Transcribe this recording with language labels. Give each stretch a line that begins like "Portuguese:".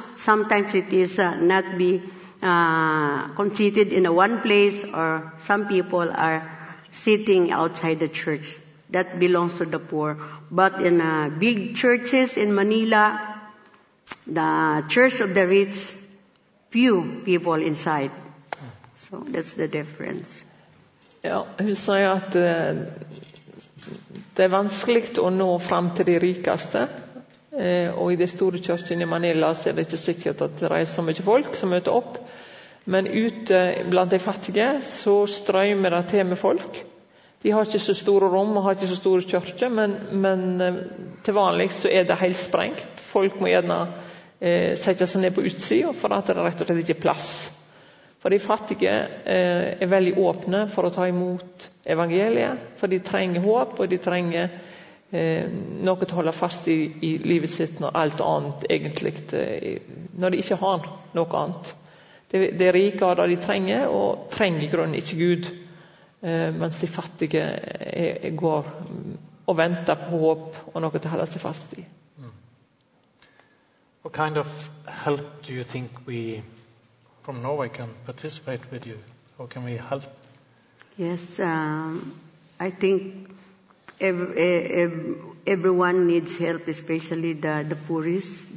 English: Sometimes it is not be completed in one place, or some people are sitting outside the church. That belongs to the poor. But in big churches in Manila, the church of the rich, few people inside. So that's the difference. Yeah, you say that
Norwegian: det er vanskelig å nå fram til de rikeste. Og i de store kirkene i Manila så er det ikke sikkert at det er så mye folk som møter opp, men ute blant de fattige så strømmer det til med folk. De har ikke så store rom og har ikke så store kirker, men til vanlig så er det helt sprengt. Folk må gjerne sette seg ned på utsiden, for at det rett og slett ikke er plass. For de fattige er veldig åpne for å ta imot evangeliet, for de trenger håp, og de trenger noe til å holde fast i livet sitt når alt annet egentlig, når de ikke har noe annet. Det er rike av det de trenger, og trenger i grunnen ikke Gud, mens de fattige går och väntar på hopp och något att hålla sig fast i.
English: What kind of help do you think we from Norway can participate with you? How can we help? Yes, I think everyone needs help, especially the poorest.